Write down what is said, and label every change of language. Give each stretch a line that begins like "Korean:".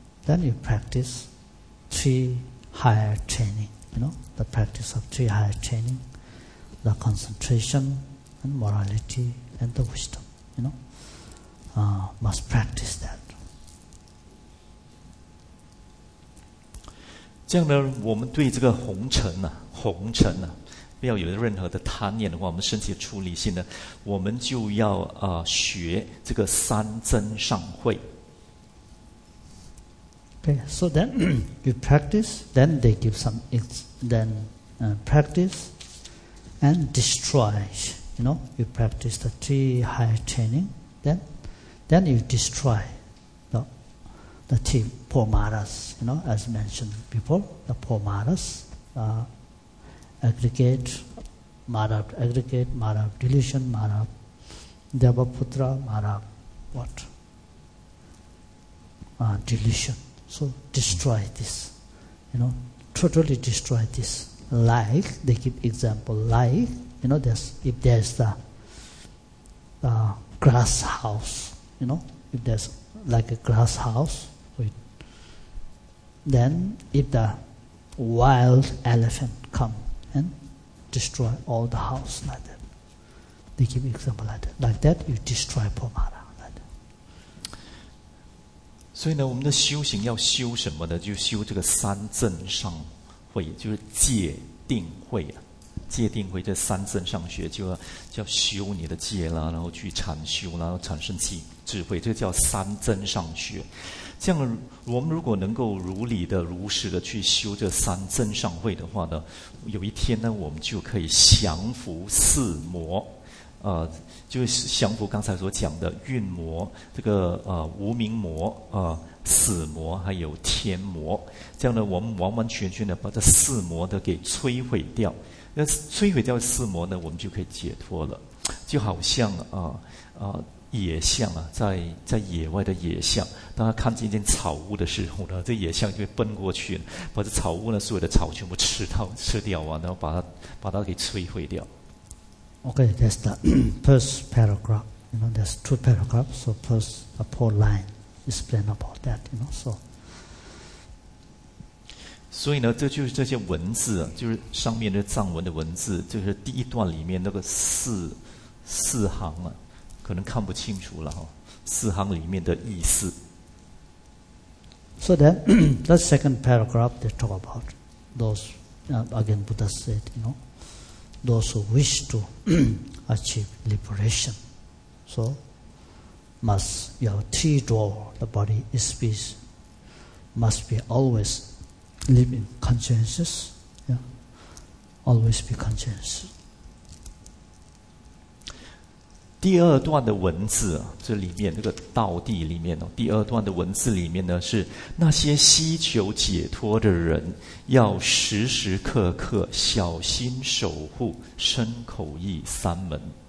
English: Then you practice three higher training, you know, the practice of three higher training, the concentration and morality and the wisdom, you know,must practice that.
Chinese: 这样呢，我们对这个红尘啊，红尘啊，不要有任何的贪念的话，我们升起出离心呢，我们就要学这个三真上慧。
English: Okay, so then you practice, then they give some, then practice and destroy, you know, you practice the three higher training, then you destroy the three poor maras, you know, as mentioned before, the poor maras, aggregate, mara of delusion, mara of devaputra, mara of what? Delusion. So destroy this, you know, totally destroy this. Like, they give example, like, you know, if there's the grass house, you know, if there's like a grass house, then if the wild elephant come and destroy all the house like that, they give example like that. Like that, you destroy Pomara.
Chinese: 所以呢，我们的修行要修什么呢？就修这个三正上慧，就是戒定慧啊。戒定慧这三正上学，就要修你的戒啦，然后去禅修啦，然后产生智慧，这个叫三正上学。这样，我们如果能够如理的、如实的去修这三正上慧的话呢，有一天呢，我们就可以降服四魔。就是降服刚才所讲的蕴魔，这个无明魔，死魔，还有天魔，这样呢，我们完完全全的把这四魔的给摧毁掉。那摧毁掉四魔呢，我们就可以解脱了。就好像野象啊，在野外的野象，当他看见一件草屋的时候呢，这野象就会奔过去，把这草屋呢所有的草全部吃掉啊，然后把它给摧毁掉。
English: Okay, that's the first paragraph. You know, there's two paragraphs. So first, a poor line explain about that. You know, so.
Chinese: 所以呢，这就是这些文字、啊，就是上面的藏文的文字，就是第一段里面那个四行啊，可能看不清楚了哈、哦。四行里面的意思。
English: So then, the second paragraph they talk about those again. Buddha said, you know. Those who wish to achieve liberation, so must your three door, the body, speech, must be always living consciousness, yeah, always be consciousness.
Chinese: 第二段的文字、啊、这里面这个道地里面、哦、第二段的文字里面呢，是那些希求解脱的人要时时刻刻小心守护身口意三门。